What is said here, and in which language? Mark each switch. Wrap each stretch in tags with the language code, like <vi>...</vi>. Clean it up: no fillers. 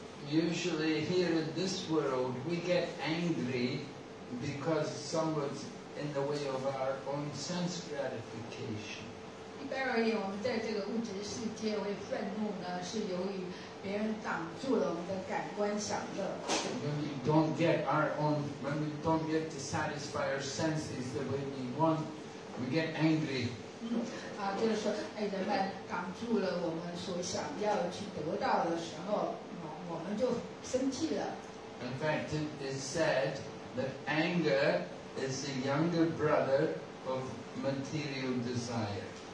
<en>Usually here in this world, we get angry because someone's in the way of our own sense gratification.</en> <zh>一般而言，我们在这个物质世界会愤怒呢，是由于别人挡住了我们的感官享乐。</zh> <en>When we don't get our own, when we don't get to satisfy our senses the way we want, we get angry.</en> <zh>嗯，啊，就是说，哎，人们挡住了我们所想要去得到的时候，我们就生气了。</zh> <en>In fact, it is said that anger is the younger brother of material desire.</en>